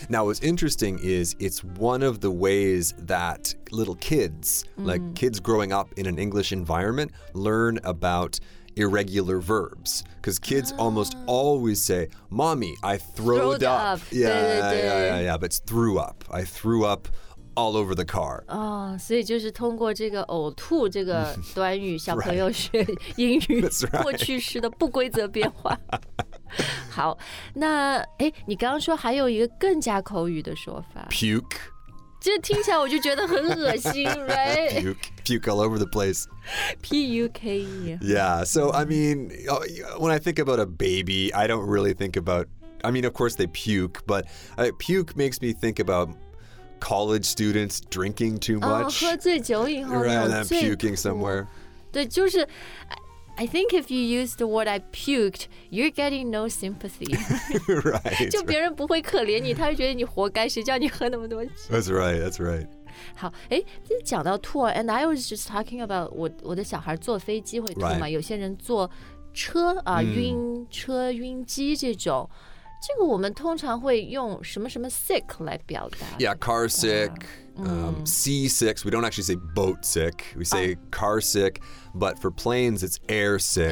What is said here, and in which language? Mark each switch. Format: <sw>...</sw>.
<en>Now what's interesting is it's one of the ways that little kids、mm. like kids growing up in an English environment learn aboutirregular verbs because kids almost always say mommy I throwed up yeah,</en> <zh>对对对</zh> <en>yeah, yeah, yeah but it's threw up I threw up all over the car</en> <zh>oh, 所以就是通过这个呕吐这个短语小朋友学英语过去式的不规则变化好那你刚刚说还有一个更加口语的说法</zh> <en>puke</en> <zh>就听起来我就觉得很恶心</zh> <en>right? Puke all over the place. P-U-K-E. Yeah, so I mean, when I think about a baby, I don't really think about, I mean, of course they puke, but puke makes me think about college students drinking too much.</en> <zh>喝醉酒以后</zh> <en>Right, and I'm puking somewhere.</en> <zh>对，就是</zh> <en>I think if you use the word I puked, you're getting no sympathy. right.</en> <zh>就别人不会可怜你，他会觉得你活该，谁叫你喝那么多酒。</zh> <en>That's right, that's right.</en> <zh>好，哎，这讲到吐 ，</zh> <en>and I was just talking about</en> <zh>我的小孩坐飞机会吐嘛？</zh> <en>Right.</en> <zh>有些人坐车啊， mm. 晕车晕机这种，这个我们通常会用什么什么 sick 来表达</zh> <en>？Yeah, car sick,、sea sick. We don't actually say boat sick. We say、car sick, but for planes it's air sick.</en>